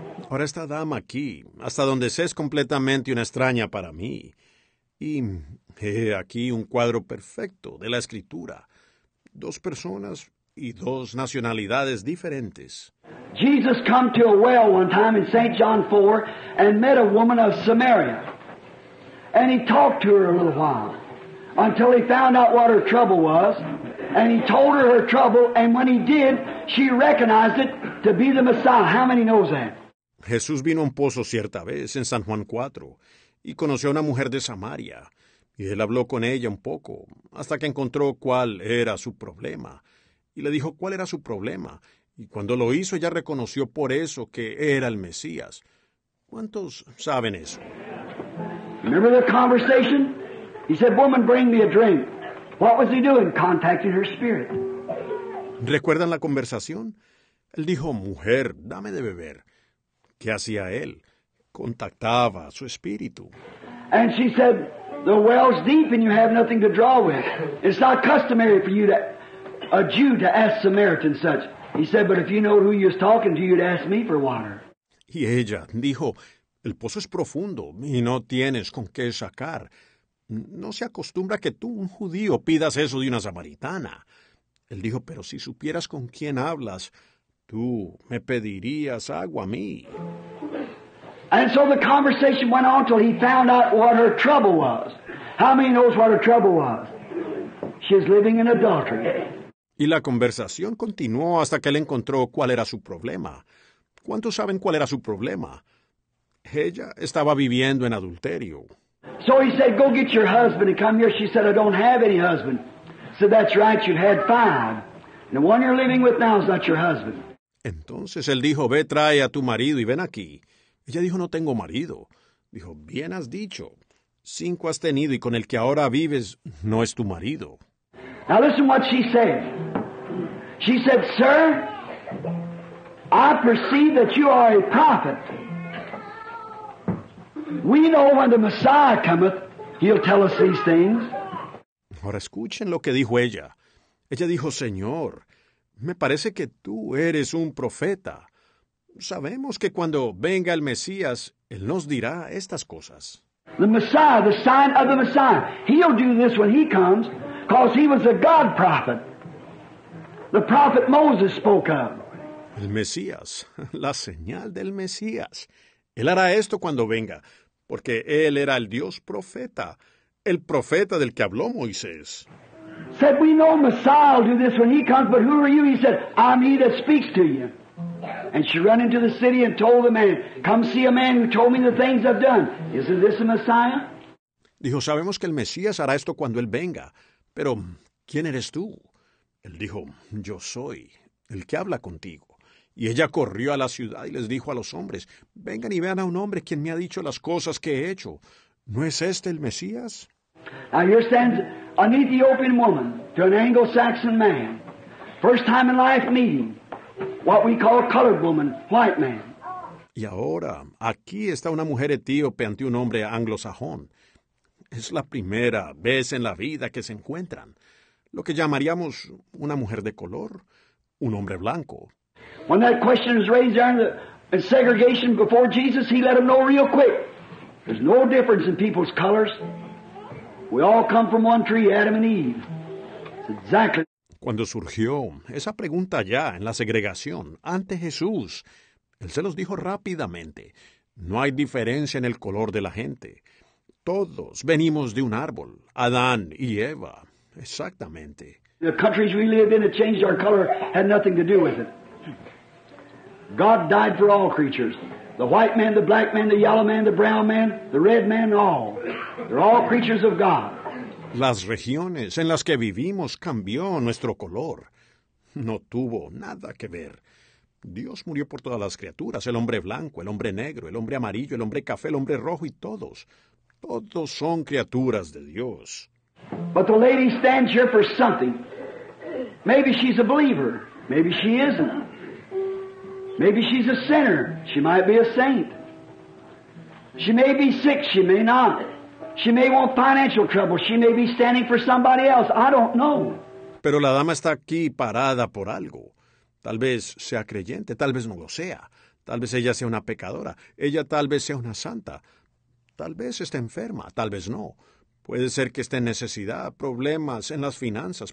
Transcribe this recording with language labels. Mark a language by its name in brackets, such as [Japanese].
[Spanish] Ahora esta dama aquí, hasta donde sé, es completamente una extraña para mí. Y aquí un cuadro perfecto de la escritura. Dos personas y dos nacionalidades diferentes. [English] Jesus came to a well one time in St. John 4 and met a woman of Samaria. And he talked to her a little while until he found out what her trouble was. And he told her her trouble, and when he did, she recognized it to be the Messiah. How many knows that? [Spanish] Jesús vino a un pozo cierta vez en San Juan 4 y conoció a una mujer de Samaria. Y él habló con ella un poco hasta que encontró cuál era su problema. Y le dijo cuál era su problema. Y cuando lo hizo, ella reconoció por eso que era el Mesías. ¿Cuántos saben eso? [English] Remember the conversation? He said, "Woman, bring me a drink." What was he doing? Contacting her spirit. [Spanish] ¿Recuerdan la conversación? Él dijo, "Mujer, dame de beber." ¿Qué hacía él? Contactaba a su espíritu. [English] And she said, "The well's deep and you have nothing to draw with. It's not customary for you to a Jew to ask Samaritan such." He said, "But if you know who you was talking to, you'd ask me for water." [Spanish] Y ella dijo, "El pozo es profundo y no tienes con qué sacar. No se acostumbra que tú, un judío, pidas eso de una samaritana." Él dijo, "Pero si supieras con quién hablas, tú me pedirías agua a mí." [English] And so the conversation went on till he found out what her trouble was. How many knows what her trouble was? She's living in adultery. [Spanish] Y la conversación continuó hasta que él encontró cuál era su problema. ¿Cuántos saben cuál era su problema? Ella estaba viviendo en adulterio. [English] So he said, "Go get your husband and come here." She said, "I don't have any husband." So that's right, you've had five. And the one you're living with now is not your husband. [Spanish] Entonces él dijo, "Ve, trae a tu marido y ven aquí." Ella dijo, "No tengo marido." Dijo, "Bien has dicho. Cinco has tenido y con el que ahora vives no es tu marido." [English] Now listen what she said. She said, "Sir, I perceive that you are a prophet. We know when the Messiah cometh, he'll tell us these things." [Spanish] Ahora escuchen lo que dijo ella. Ella dijo, "Señor, me parece que tú eres un profeta. Sabemos que cuando venga el Mesías, él nos dirá estas cosas." [English] The Messiah, the sign of the Messiah. He'll do this when he comes. Because he was a God prophet, the prophet Moses spoke of. [Spanish] El Mesías, la señal del Mesías. Él hará esto cuando venga, porque él era el Dios profeta, el profeta del que habló Moisés. [English] Said, "We know Messiah will do this when he comes, but who are you?" He said, "I'm he that speaks to you." And she ran into the city and told the man, "Come see a man who told me the things I've done. Isn't this the Messiah?" [Spanish] Dijo, "Sabemos que el Mesías hará esto cuando él venga. Pero, ¿quién eres tú?" Él dijo, "Yo soy el que habla contigo." Y ella corrió a la ciudad y les dijo a los hombres, "Vengan y vean a un hombre quien me ha dicho las cosas que he hecho. ¿No es este el Mesías?" [English] Now here stands an Ethiopian woman to an Anglo-Saxon man. First time in life meeting. What we call colored woman, white man. [Spanish] Y ahora, aquí está una mujer etíope ante un hombre anglosajón. Es la primera vez en la vida que se encuentran. Lo que llamaríamos una mujer de color, un hombre blanco. [English] When that question is raised there in segregation before Jesus, he let them know real quick. There's no difference in people's colors. We all come from one tree, Adam and Eve. It's exactly. [Spanish] Cuando surgió esa pregunta ya en la segregación, ante Jesús, él se los dijo rápidamente. No hay diferencia en el color de la gente. Todos venimos de un árbol, Adán y Eva, exactamente. [English] The countries we live in that changed our color had nothing to do with it. God died for all creatures. The white man, the black man, the yellow man, the brown man, the red man, all. They're all creatures of God. [Spanish] Las regiones en las que vivimos cambió nuestro color. No tuvo nada que ver. Dios murió por todas las criaturas, el hombre blanco, el hombre negro, el hombre amarillo, el hombre café, el hombre rojo y todos. Todos son criaturas de Dios. [English] But the lady stands here for something. Maybe she's a believer. Maybe she isn't. Maybe she's a sinner. She might be a saint. She may be sick. She may not. She may want financial trouble. She may be standing for somebody else. I don't know. [Spanish] Pero la dama está aquí parada por algo. Tal vez sea creyente, tal vez no lo sea. Tal vez ella sea una pecadora. Ella tal vez sea una santa. Tal vez esté enferma, tal vez no. Puede ser que esté en necesidad, problemas en las finanzas.